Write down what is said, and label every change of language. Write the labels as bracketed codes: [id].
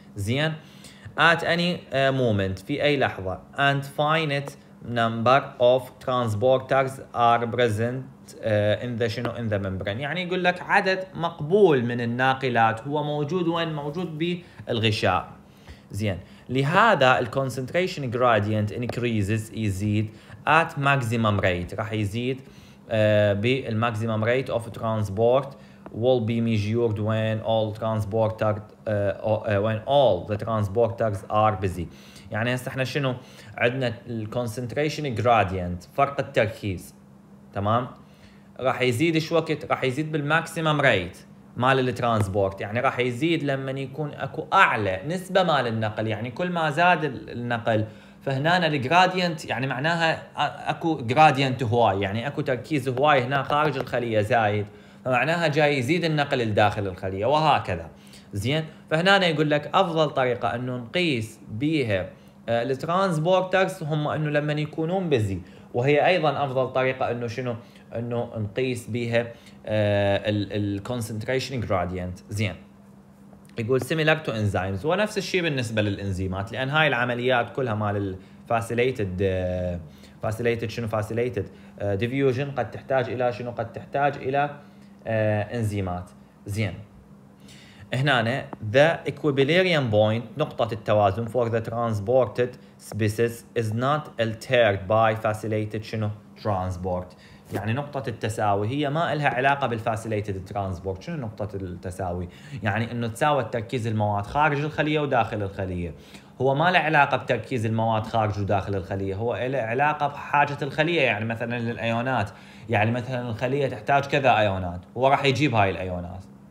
[ar] زين [en] at any moment [ar] في اي لحظه [en] and finite number of transporters are present in the [ar] شنو [en] in the membrane، [ar] يعني يقول لك عدد مقبول من الناقلات هو موجود وين موجود بالغشاء. [en] زين لهذا ال concentration gradient increases يزيد at maximum rate، [ar] راح يزيد بال [en] maximum rate of transport will be measured when all transporters when all the transporters are busy. [ar] يعني هسه احنا شنو عندنا ال concentration gradient فرق التركيز، تمام، راح يزيد ايش وقت؟ راح يزيد بال maximum rate مال الترانسبورت، يعني راح يزيد لما يكون اكو اعلى نسبه مال النقل، يعني كل ما زاد النقل فهنا الجراديانت يعني معناها اكو جراديانت هواي، يعني اكو تركيز هواي هنا خارج الخليه زايد، فمعناها جاي يزيد النقل لداخل الخليه وهكذا. زين فهنا يقول لك افضل طريقه انه نقيس بيها الترانسبورترز هم انه لما يكونون بزي، وهي ايضا افضل طريقه انه شنو انه نقيس بيها ال concentration gradient. زين يقول [en] similar to enzymes، [ar] ونفس الشيء بالنسبه للانزيمات، لان هاي العمليات كلها مال الفاسيليتد فاسيليتد شنو فاسيليتد ديفيوجن قد تحتاج الى شنو قد تحتاج الى انزيمات. [en] زين هنا the equilibrium point [ar] نقطة التوازن [en] for the transported species is not altered by facilitated شنو transport، [ar] يعني نقطة التساوي هي ما إلها علاقة بال [en] facilitated transport. [ar] شنو نقطة التساوي؟ يعني إنه تساوي تركيز المواد خارج الخلية وداخل الخلية، هو ما له علاقة بتركيز المواد خارج وداخل الخلية، هو له علاقة بحاجة الخلية، يعني مثلا للأيونات، يعني مثلا الخلية تحتاج كذا أيونات هو راح يجيب هاي الأيونات.